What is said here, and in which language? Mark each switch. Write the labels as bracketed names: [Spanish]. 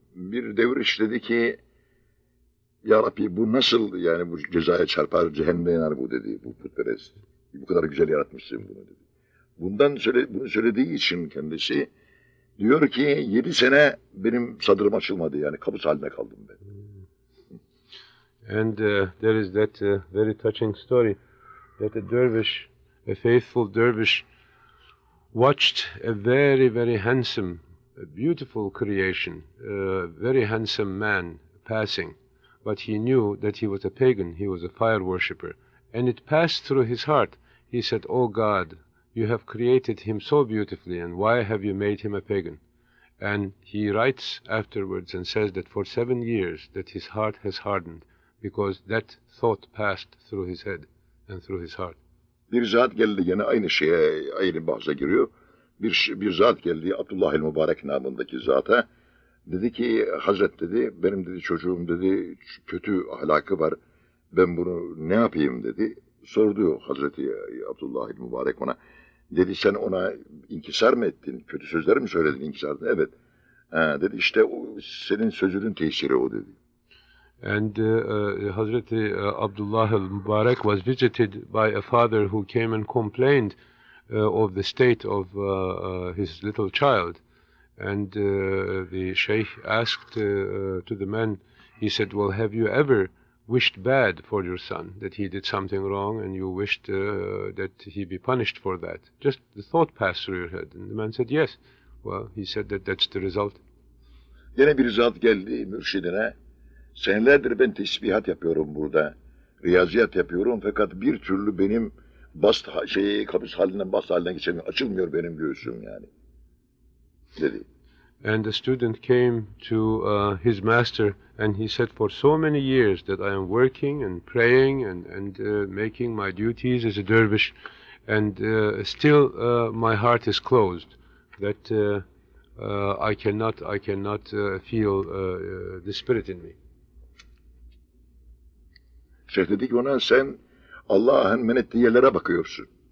[Turkish] Bir deviriş dedi ki, Ya Rabbi bu nasıl, yani bu cezaya çarpar, cehenneme iner bu dedi, bu putperest. Bu kadar güzel yaratmışsın bunu dedi. Bunu söylediği için kendisi diyor ki, 7 sene benim sadrım açılmadı, yani kabus haline kaldım ben. [English] And there is that very touching story that a dervish, a faithful dervish, watched a very, very handsome, a beautiful creation, a very handsome man passing. But he knew that he was a pagan, he was a fire worshipper. And it passed through his heart. He said, Oh God, you have created him so beautifully, and why have you made him a pagan? And he writes afterwards and says that for 7 years that his heart has hardened because that thought passed through his head and through his heart. [Turkish] Bir zat geldi, yine aynı şeye, aynı bahse giriyor. Bir zat geldi, Abdullah el-Mubarek namındaki zata. Dedi ki, Hazret dedi, benim dedi çocuğum dedi kötü ahlakı var. Ben bunu ne yapayım dedi. Sordu Hazreti Abdullah el-Mubarek ona. Dedi, sen ona inkisar mı ettin? Kötü sözler mi söyledin inkisardın? Evet. Ha, dedi, işte o, senin sözünün tesiri o dedi. [English] And Hazreti Abdullah al-Mubarak was visited by a father who came and complained of the state of his little child. And the Shaykh asked to the man, he said, well, have you ever wished bad for your son, that he did something wrong and you wished that he be punished for that? Just the thought passed through your head. And the man said, yes. Well, he said that that's the result. [Turkish] Yine bir zat geldi mürşidine. Senelerdir ben tesbihat yapıyorum burada, riyaziyat yapıyorum fakat bir türlü benim kabus halinden bas haline geçemiyor, açılmıyor benim göğsüm yani, dedi. [English] And the student came to his master, and he said, for so many years that I am working and praying and making my duties as a dervish, and still my heart is closed, that I cannot feel the spirit in me. [Turkish] Şeyh dedi ki ona, sen Allah'ın menettiği yerlere bakıyorsun.